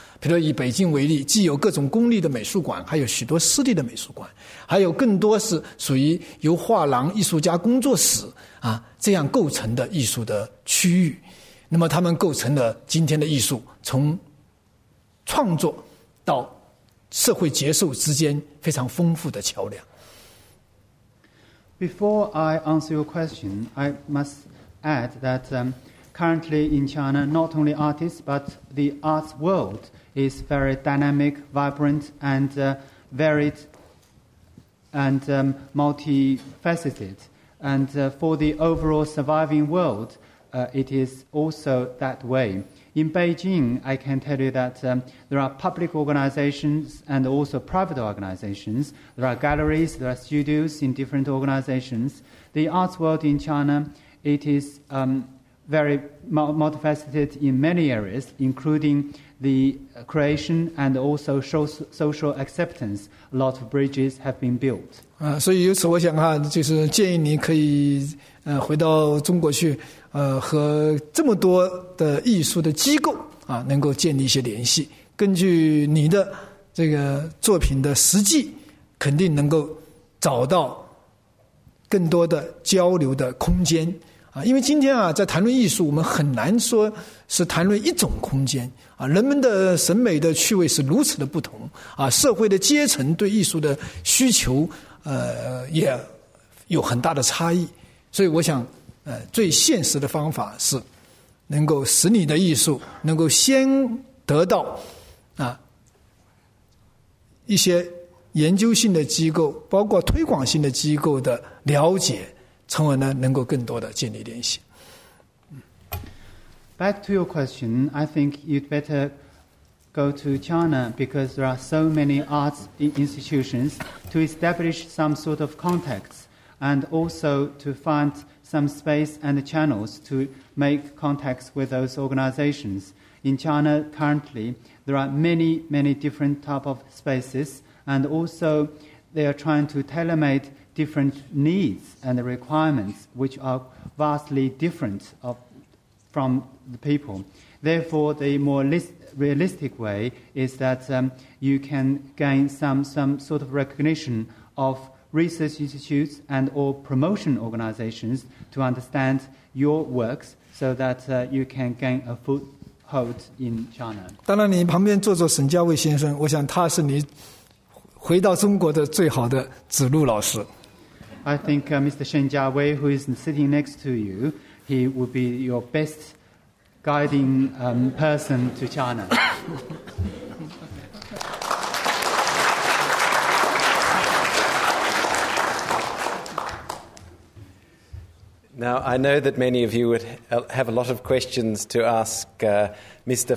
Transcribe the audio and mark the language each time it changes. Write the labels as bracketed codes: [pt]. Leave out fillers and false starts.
[zh] 比如以北京为例，既有各种公立的美术馆，还有许多私立的美术馆，还有更多是属于由画廊、艺术家工作室啊这样构成的艺术的区域。那么他们构成了今天的艺术从创作到社会接受之间非常丰富的桥梁。 [en] Before I answer your question, I must add that currently in China, not only artists, but the arts world is very dynamic, vibrant, and varied and multifaceted. And for the overall surviving world, it is also that way. In Beijing, I can tell you that there are public organizations and also private organizations. There are galleries, there are studios in different organizations. The arts world in China, it is very multifaceted in many areas, including the creation and also social acceptance. A lot of bridges have been built. [zh] 所以由此我想哈，就是建议你可以回到中国去，和这么多的艺术的机构啊，能够建立一些联系。根据你的这个作品的实际，肯定能够找到更多的交流的空间啊。因为今天啊，在谈论艺术，我们很难说是谈论一种空间啊。人们的审美的趣味是如此的不同啊，社会的阶层对艺术的需求也有很大的差异。所以我想最现实的方法是能够使你的艺术能够先得到一些研究性的机构包括推广性的机构的了解，从而呢能够更多的建立联系。 [en] Back to your question, I think you'd better go to China because there are so many arts institutions to establish some sort of contactsand also to find some space and channels to make contacts with those organizations. In China currently, there are many, many different types of spaces, and also they are trying to tailor-made different needs and requirements, which are vastly different from the people. Therefore, the more realistic way is that you can gain some sort of recognition of research institutes and or promotion organizations to understand your works so that you can gain a foothold in China. [zh] 当然你旁边坐着沈嘉蔚先生，我想他是你回到中国的最好的指路老师。 [en] I think Mr. Shen Jiawei, who is sitting next to you, he would be your best guiding person to China. 。Now, I know that many of you would have a lot of questions to ask Mr.